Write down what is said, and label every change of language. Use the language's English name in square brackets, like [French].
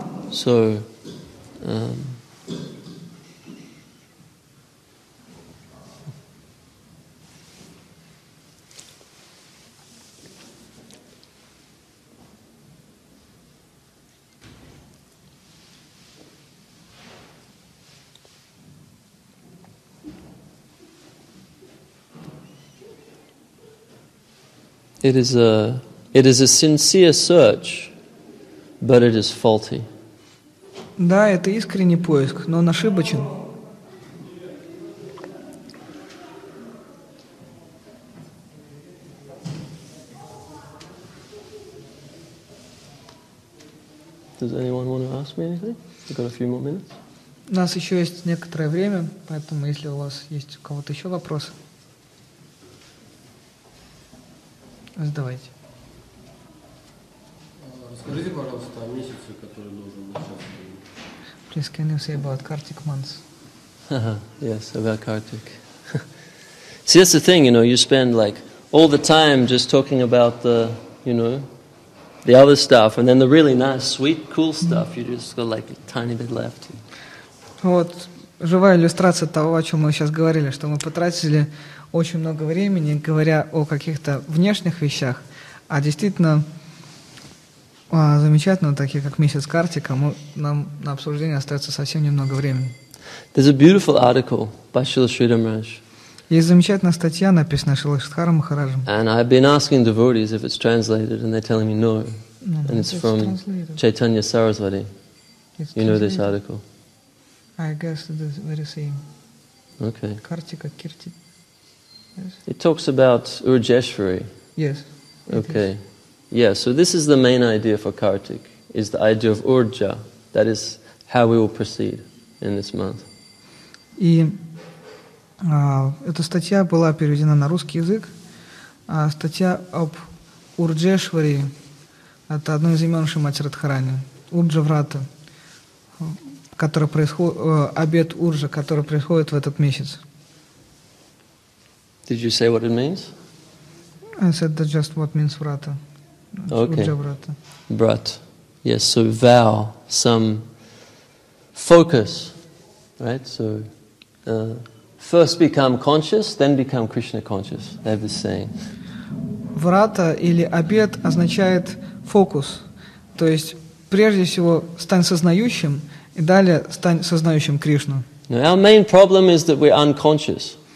[English] So, It is a sincere search, but it is faulty. [Russian] Да, это искренний поиск, но он ошибочен. [English] Does anyone want to ask me anything? We've got a few more minutes. [Russian] У нас еще есть некоторое время, поэтому если у вас есть у кого-то еще вопросы. Сдавайте. Расскажите, пожалуйста, о месяце, который должен начаться. [English] Please, can you say about Kartik months? Yes, about Kartik. See, that's the thing, you know, you spend like all the time just talking about the, you know, the other stuff, and then the really nice, sweet, cool stuff, you just got like a tiny bit left. [Russian] Вот живая иллюстрация того, о чем мы сейчас говорили, что мы потратили очень много времени, говоря о каких-то внешних вещах, а действительно замечательно, такие как месяц Картика, нам на обсуждение остается совсем немного времени. [English] There's a beautiful article by Srila Sridhar Maharaj. [Russian] Есть замечательная статья, написанная Шрила Шридхара Махараджем. [English] And I've been asking devotees if it's translated, and they're telling me no. And it's from Chaitanya Sarasvati. You know this article? I guess it is very same. Okay. [Russian] Картика Кирти. [English] Yes. It talks about Urjeshwari. Yes. Okay. Is. Yeah, so this is the main idea for Kartik, is the idea of Urja. That is how we will proceed in this month. [Russian] И эта статья была переведена на русский язык. Статья об Урджешвари. Это одно из имен Шримати Радхарани. Урджа Врата. Который происходит, обет Урджа, который происходит в этот месяц. [English] Did you say what it means? I said that just what means vrata. Okay. Vrata. Brat. Yes, so vow, some focus, right? So first become conscious, then become Krishna conscious. They have this saying. [Russian] Vrata или обет означает фокус. То есть прежде всего стань сознающим, и далее стань сознающим Кришну. [English] Now, our main problem is that we're unconscious.